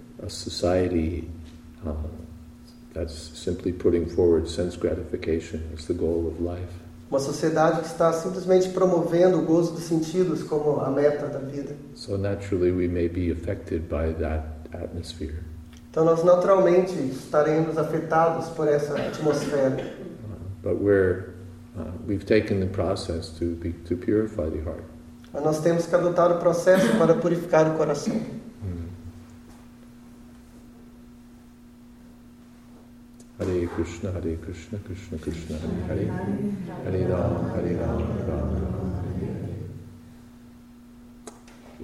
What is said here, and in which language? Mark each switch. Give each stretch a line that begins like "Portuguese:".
English: A society that's simply putting forward sense gratification as the goal of life.
Portuguese: Uma sociedade que está simplesmente promovendo o gozo dos sentidos como a meta da vida.
English: So naturally we may be affected by that atmosphere.
Portuguese: Então nós naturalmente estaremos afetados por essa atmosfera.
English: But we've taken the process to purify the heart.
Portuguese: Mas nós temos que adotar o processo para purificar o coração.
Sanskrit: Hare Krishna, Hare Krishna, Krishna Krishna, Hare Hare, Hare Rama, Hare Rama, Rama Rama, Hare Hare.